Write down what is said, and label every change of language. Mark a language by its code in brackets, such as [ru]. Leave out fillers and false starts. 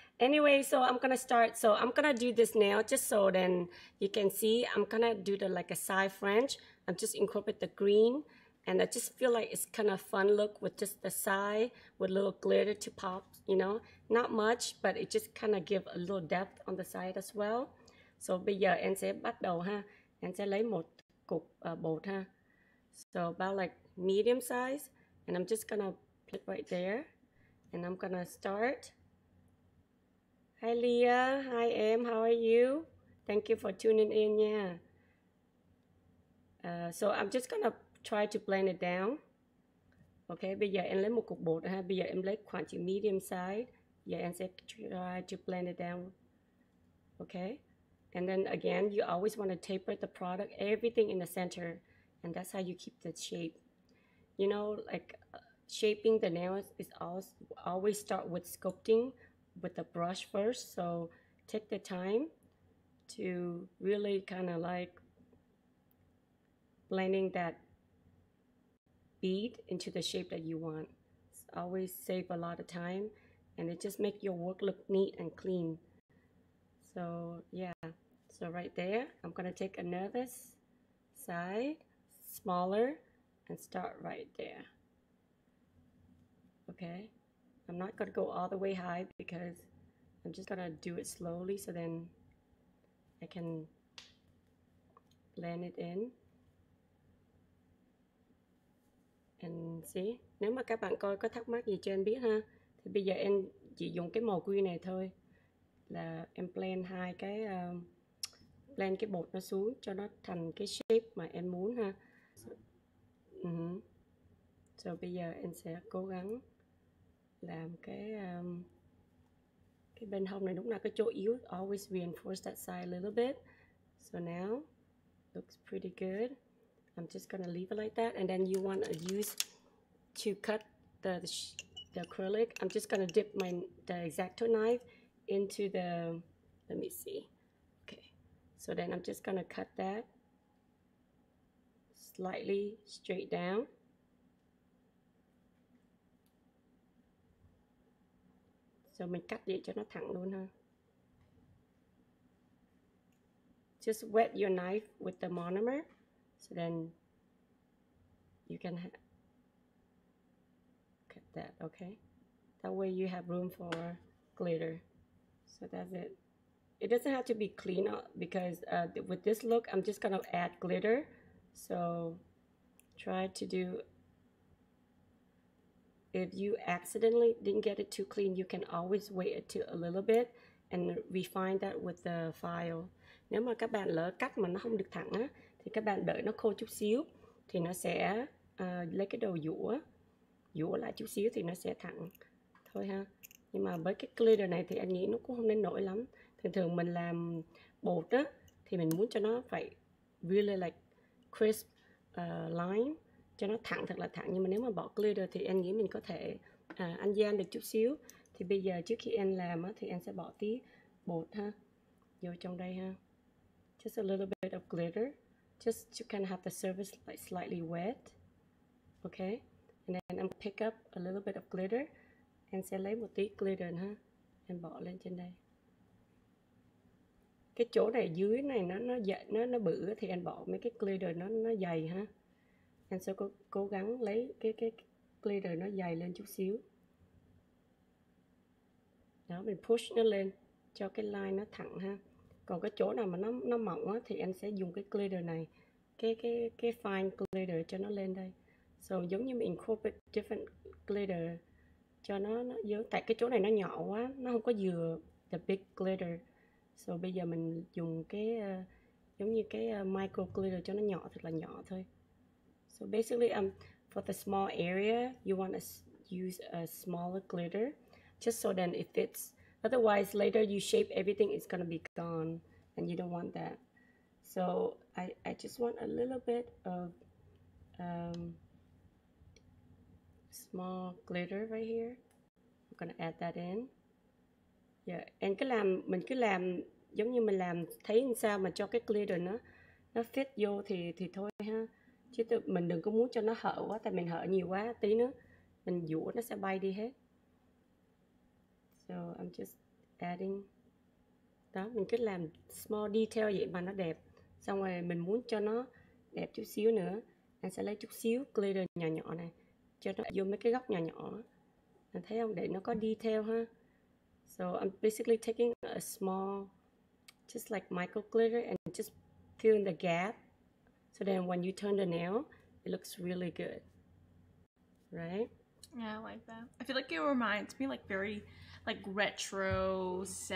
[en] Anyway, so I'm gonna start. So I'm gonna do this nail just so then you can see. I'm gonna do the like a side French. I'm just incorporate the green, and I just feel like it's kind of fun look with just the side with a little glitter to pop, you know, not much, but it just kind of give a little depth on the side as well. [vi] So bây giờ em sẽ bắt đầu ha. Em sẽ lấy một cục bột ha. [en] So about like medium size, and I'm just gonna put right there, and I'm gonna start. Hi Leah, hi Em, how are you? Thank you for tuning in, yeah. So I'm just gonna try to blend it down. [vi] Okay, bây giờ em lấy một cục bột ha. Bây giờ em lấy khoảng chừng medium size. [en] Yeah, and try to blend it down. Okay, and then again, you always want to taper the product, everything in the center, and that's how you keep the shape. You know, like shaping the nails is always start with sculpting with the brush first. So take the time to really kind of like blending that bead into the shape that you want. It's always save a lot of time, and it just make your work look neat and clean. So yeah, so right there, I'm gonna take another side, smaller, and start right there. Okay, I'm not gonna go all the way high because I'm just gonna do it slowly so then I can blend it in. And see, [vi] nếu mà các bạn coi có thắc mắc gì cho em biết ha, thì bây giờ em chỉ dùng cái màu green này thôi, là em blend hai cái blend cái bột nó xuống cho nó thành cái shape mà em muốn ha. So bây giờ em sẽ cố gắng làm cái bên hông này, lúc nào cái chỗ yếu, [en] always reinforce that side a little bit. So now looks pretty good. I'm just gonna leave it like that, and then you want to use to cut the acrylic. I'm just gonna dip the X-Acto knife into the. Let me see. Okay, so then I'm just gonna cut that slightly straight down. So mình cắt để cho nó thẳng luôn ha. Just wet your knife with the monomer. So then you can cut that, okay? That way you have room for glitter. So that's it. It doesn't have to be clean because with this look, I'm just gonna add glitter. So try to do, if you accidentally didn't get it too clean, you can always wait it to a little bit and refine that with the file. [vi] Nếu mà các bạn lỡ cắt mà nó không được thẳng á, thì các bạn đợi nó khô chút xíu, thì nó sẽ lấy cái đầu dũa lại chút xíu thì nó sẽ thẳng. thôi ha. Nhưng mà với cái glitter này thì anh nghĩ nó cũng không nên nổi lắm. Thường thường mình làm bột á thì mình muốn cho nó phải [en] really like crisp line, [vi] cho nó thẳng, thật là thẳng. Nhưng mà nếu mà bỏ glitter thì anh nghĩ mình có thể ăn gian được chút xíu. Thì bây giờ trước khi em làm á thì em sẽ bỏ tí bột ha vô trong đây ha. [en] Just a little bit of glitter just to kind of have the surface like slightly wet. Okay. And then I'm pick up a little bit of glitter. [vi] Em sẽ lấy một tí glitter ha. Em bỏ lên trên đây. Cái chỗ này dưới này nó dậy nó bự thì em bỏ mấy cái glitter nó dày ha. Em sẽ cố gắng lấy cái glitter nó dày lên chút xíu. Đó, mình push nó lên cho cái line nó thẳng ha. Còn cái chỗ nào mà nó mỏng á thì em sẽ dùng cái glitter này, cái fine glitter cho nó lên đây. So giống như mình incorporate different glitter cho nó giống, tại cái chỗ này nó nhỏ quá, nó không có vừa the big glitter. So bây giờ mình dùng cái giống như cái micro glitter cho nó nhỏ, thật là nhỏ thôi. [en] So basically for the small area you want to use a smaller glitter just so then it fits. Otherwise, later you shape everything, it's gonna be gone, and you don't want that. So I just want a little bit of small glitter right here. I'm gonna add that in. Yeah, and [vi] cứ làm mình cứ làm giống như mình làm thấy làm sao mà cho cái glitter nó fit vô thì thôi ha. Chứ mình đừng có muốn cho nó hở quá, tại mình hở nhiều quá tí nữa mình giũa nó sẽ bay đi hết. [en] So I'm just adding. [vi] Đó, mình cứ làm small detail vậy mà nó đẹp. Xong rồi mình muốn cho nó đẹp chút xíu nữa, anh sẽ lấy chút xíu glitter nhỏ nhỏ này cho nó vô mấy cái góc nhỏ nhỏ. Anh thấy không? Để nó có detail ha. [en] So I'm basically taking a small, just like micro glitter and just fill in the gap. So then when you turn the nail, it looks really good. Right? Yeah, I like that. I feel like it reminds me like very like retro 70s.